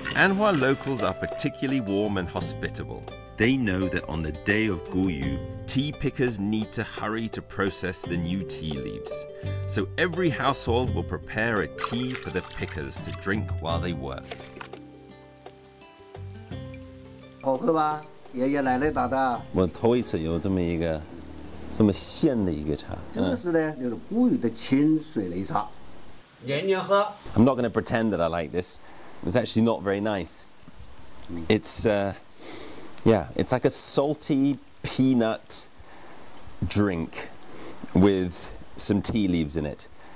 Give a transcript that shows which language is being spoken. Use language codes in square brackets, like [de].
[en] Anhui locals are particularly warm and hospitable. They know that on the day of Guyu, tea pickers need to hurry to process the new tea leaves. So every household will prepare a tea for the pickers to drink while they work. [zh] 好喝吗？爷爷奶奶打的。我头一次有这么一个这么鲜的一个茶。真的是呢，就是古语的清水擂茶。年年喝。 [en] I'm not going to pretend that I like this. It's actually not very nice. It's, yeah, it's like a salty peanut drink with. Some tea leaves in it.